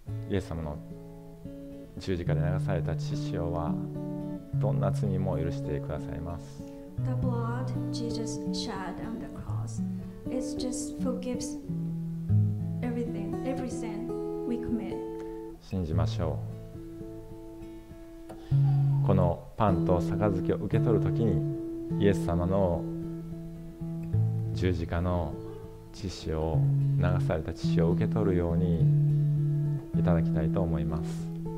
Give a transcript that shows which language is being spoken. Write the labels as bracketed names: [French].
[Japanese] イエス様の十字架で流された血潮はどんな罪も許してくださいます。 [English] The blood Jesus shed on the cross is just forgives everything, every sin we commit. [Japanese] 信じましょう。このパンと杯を受け取るときにイエス様の十字架の血を流された血を受け取るようにいただきたいと思います。